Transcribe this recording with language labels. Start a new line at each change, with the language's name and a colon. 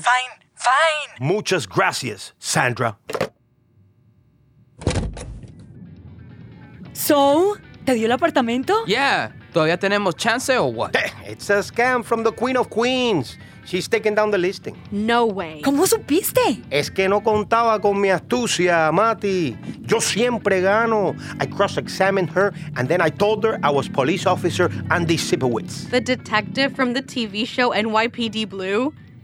English: Fine, Fine.
Spanish: Muchas gracias, Sandra. So, ¿te dio el apartamento? Yeah. ¿Todavía tenemos chance
English: or what? It's a scam from the Queen of Queens. She's taking down the listing. No way.
Spanish: ¿Cómo supiste? Es que no contaba con mi astucia, Mati. Yo siempre gano.
English: I cross-examined her, and then I told her I was police officer Andy Sipowitz. The detective from the TV show NYPD Blue?